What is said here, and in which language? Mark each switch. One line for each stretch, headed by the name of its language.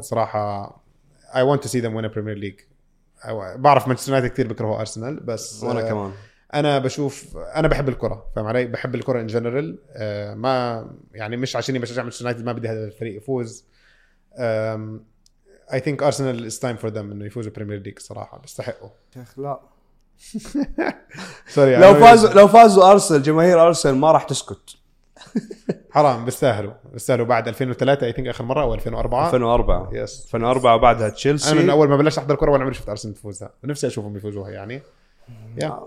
English: صراحة I want to see them win a Premier League.
Arabic: بعرف مانشستر يونايتد كتير بكرهوا أرسنال، بس وأنا كمان أنا بحب الكرة، فاهم علي؟ بحب الكرة إن جنرال، ما يعني مش عشاني بشجع مانشستر يونايتد ما بدي هذا الفريق يفوز.
English: I think Arsenal is time for them
Arabic: إنه يفوزوا بريمير ليج صراحة، بيستحقوا. شيخ لا. سوري. لو فازوا أرسنال، جماهير أرسنال ما راح تسكت. حرام، بيستاهلوا بعد 2003
English: I think
Arabic: آخر مرة أو 2004. 2004.
English: Yes.
Arabic: 2004 وبعدها تشيلسي. أنا من أول ما بلشت أحضر كرة وأنا عمري شفت أرسنال تفوزها، نفسي أشوفهم يفوزوها يعني.
English: Yeah.